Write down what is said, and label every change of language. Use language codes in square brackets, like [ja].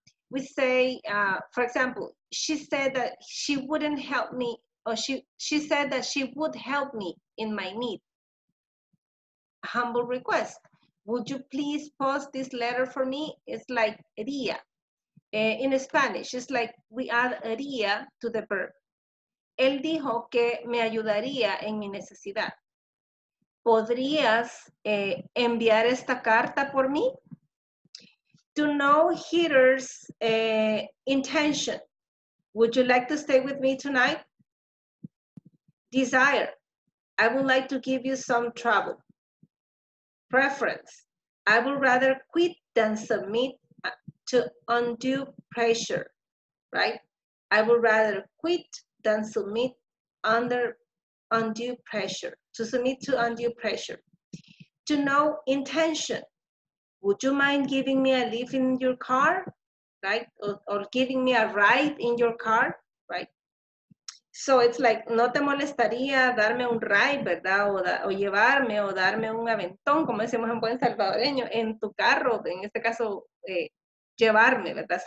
[en] We say, for example, she said that she wouldn't help me, or she said that she would help me in my need. A humble request. Would you please post this letter for me? It's like haría. In Spanish, it's like we add haría to the verb. [es] Él dijo que me ayudaría en mi necesidad. ¿Podrías enviar esta carta por mí? [en] To know hearer's intention. Would you like to stay with me tonight? Desire. I would like to give you some trouble. Preference. I would rather quit than submit to undue pressure. Right? I would rather quit than submit under undue pressure, to submit to undue pressure. To know intention, would you mind giving me a lift in your car, right? Or giving me a ride in your car, right? So it's like, [es] no te molestaría darme un ride, ¿verdad? O llevarme o darme un aventón, como decimos en buen salvadoreño, en tu carro, en este caso, llevarme, ¿verdad?